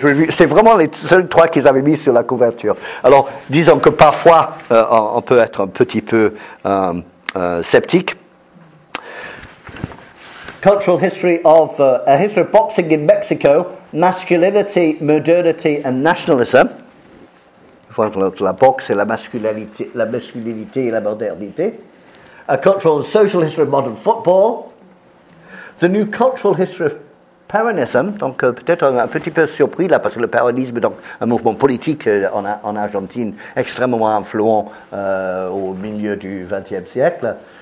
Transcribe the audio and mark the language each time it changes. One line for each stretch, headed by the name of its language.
French: C'est vraiment les seuls trois qu'ils avaient mis sur la couverture. Alors, disons que parfois, on peut être un petit peu sceptique.
English: Cultural history of a history of boxing in Mexico, masculinity, modernity and nationalism.
French: La boxe et la masculinité et la modernité.
English: A cultural and social history of modern football. The new cultural history of Peronism.
French: Donc peut-être on est un petit peu surpris là, parce que le peronisme, donc un mouvement politique en Argentine, extrêmement influent au milieu du XXe siècle.